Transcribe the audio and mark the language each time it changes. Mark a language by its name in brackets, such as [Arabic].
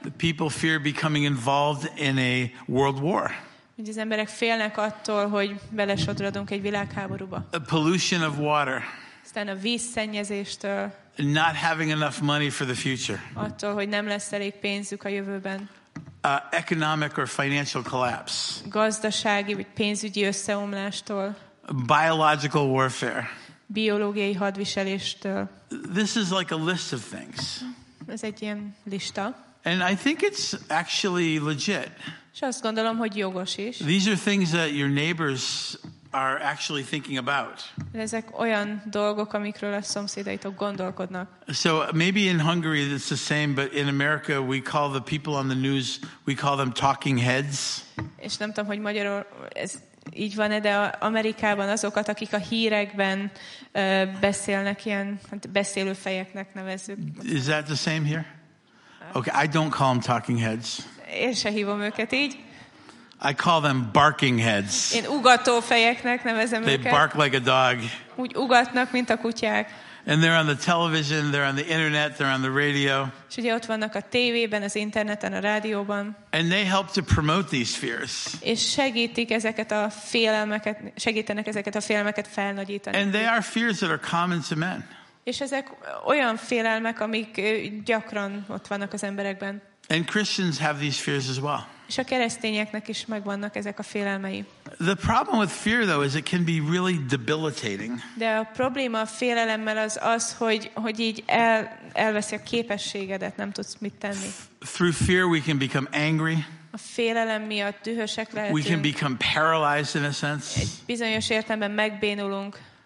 [English] The people fear becoming involved in a world war. [Hungarian] Vagy az emberek félnek attól, hogy belesodrodunk egy világháborúba. [English] A pollution of water. [Hungarian] Aztán a vízszennyezéstől. [English] Not having enough money for the future. [Hungarian] Attól, hogy nem lesz elég pénzük a jövőben. [English] Economic or financial collapse. [Hungarian] Gazdasági vagy pénzügyi összeomlástól. [English] Biological warfare. [Hungarian] Biológiai hadviseléstől. [English] This is like a list of things. [Hungarian] Ez egy ilyen lista. [English] And I think it's actually legit. [Hungarian] És azt gondolom, hogy jogos is. [English] These are things that your neighbors are actually thinking about. [Hungarian] Ezek olyan dolgok, amikről a szomszédaitok gondolkodnak. [English] So maybe in Hungary it's the same, but in America we call the people on the news, we call them talking heads. [Hungarian] És nem tudom, hogy magyarul ez így van-e, de Amerikában azokat, akik a hírekben beszélnek, ilyen beszélő fejeknek nevezzük. [English] Is that the same here? Okay, I don't call them talking heads. [Hungarian] Én se hívom őket így. [English] I call them barking heads. [Hungarian] Én ugató fejeknek nevezem őket. [English] They bark like a dog. [Hungarian] Úgy ugatnak, mint a kutyák. [English] And they're on the television, they're on the internet, they're on the radio. [Hungarian] És ugye ott vannak a tévében, az interneten, a rádióban. [English] And they help to promote these fears. [Hungarian] És segítik ezeket a félelmeket, segítenek ezeket a félelmeket felnagyítani. [English] And they are fears that are common to men. [Hungarian] És ezek olyan félelmek, amik gyakran ott vannak az emberekben. [English] And Christians have these fears as well. [Hungarian] És a keresztényeknek is megvannak ezek a félelmei. [English] The problem with fear though is it can be really debilitating. [Hungarian] De a probléma a félelemmel az az, hogy így elveszi a képességedet, nem tudsz mit tenni. [English] Through fear we can become angry. [Hungarian] A félelem miatt dühösek lehetünk. [English] We can become paralyzed in a sense. [Hungarian] Egy bizonyos értelemben megbénulunk.